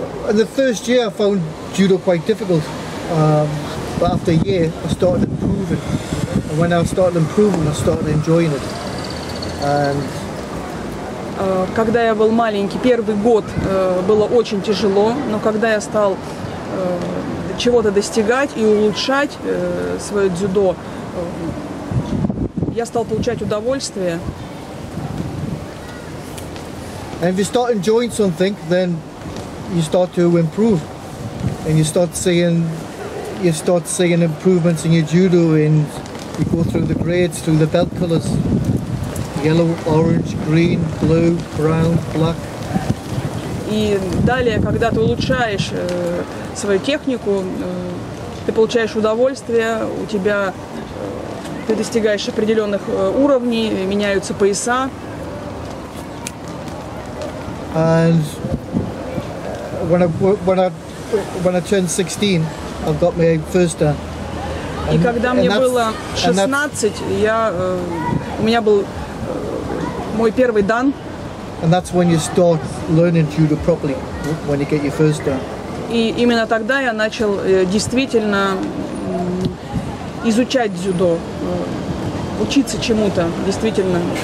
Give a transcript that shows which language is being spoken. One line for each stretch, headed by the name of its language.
English: In the first year, I found judo quite difficult. But after a year, I started improving. And when I started improving, I started enjoying it.
Russian: Когда я был маленький, первый год было очень тяжело, но когда я стал чего-то достигать и улучшать свое дзюдо, я стал получать удовольствие.
English: And if you start enjoying something, then you start to improve, and you start seeing improvements in your judo, and you go through the grades, through the belt colors: yellow, orange, green, blue, brown, black.
Russian: И далее, когда ты улучшаешь свою технику, ты получаешь удовольствие, ты достигаешь определенных уровней, меняются пояса.
English: And when I turned 16, I got my first dan.
Russian: И когда мне было 16, у меня был мой первый дан.
English: And that's when you start learning judo properly, when you get your first dan.
Russian: И именно тогда я начал действительно изучать дзюдо, учиться чему-то, действительно.